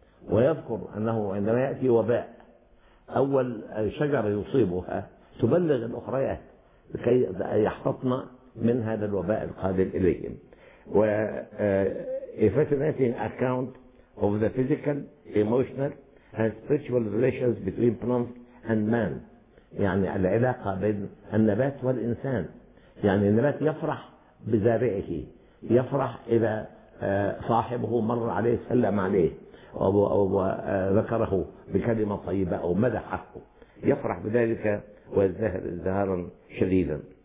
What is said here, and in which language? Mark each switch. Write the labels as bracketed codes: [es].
[ar] ويذكر انه عندما يأتي وباء اول شجرة يصيبها تبلغ الاخريات لكي يحتطن من هذا الوباء القادم اليهم. [en] و A fascinating account of the physical, emotional and spiritual relations between plants and man. [ar] يعني العلاقة بين النبات والإنسان. يعني النبات يفرح بزارعه، يفرح إذا صاحبه مر عليه سلم عليه وذكره بكلمة طيبة أو مدحه، يفرح بذلك ويزدهر ازدهارا شديدا.